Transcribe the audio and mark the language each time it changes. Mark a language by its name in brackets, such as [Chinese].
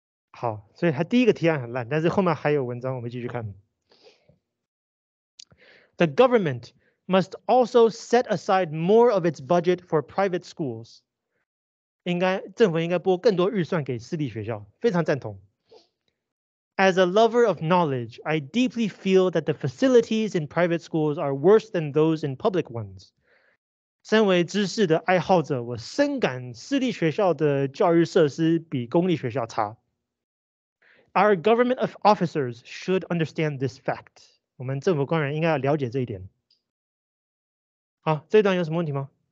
[Chinese] 好，所以他第一个提案很烂，但是后面还有文章，我们继续看。 [English] The government must also set aside more of its budget for private schools. [Chinese] 应该政府应该拨更多预算给私立学校，非常赞同。 [English] As a lover of knowledge, I deeply feel that the facilities in private schools are worse than those in public ones. [Chinese] 身为知识的爱好者，我深感私立学校的教育设施比公立学校差。 [English] Our government officers should understand this fact. [Chinese] 我们政府官员应该要了解这一点。好，这一段有什么问题吗？